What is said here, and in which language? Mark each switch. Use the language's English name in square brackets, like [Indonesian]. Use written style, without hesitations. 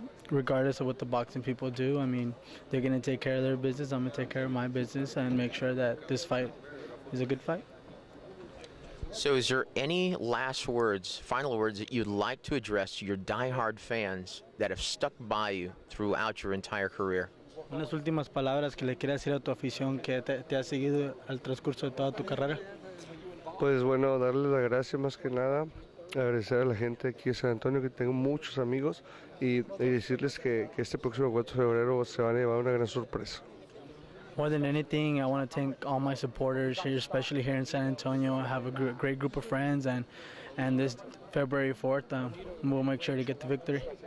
[English] Regardless of what the boxing people do, I mean, they're going to take care of their business. I'm going to take care of my business and make sure that this fight is a good fight. So is there any final words that you'd like to address to your diehard fans that have stuck by you throughout your entire career? [Spanish] Unas últimas palabras que le quieras decir a tu afición que te ha seguido al transcurso de toda tu carrera. Pues bueno, darle la gracia más que nada, agradecer a la gente aquí en San Antonio, que tengo muchos amigos, y decirles que este próximo 4 de febrero se van a llevar una gran sorpresa. [English] More than anything, I want to thank all my supporters here, especially here in San Antonio. I have a great group of friends, and this February 4th, we'll make sure to get the victory.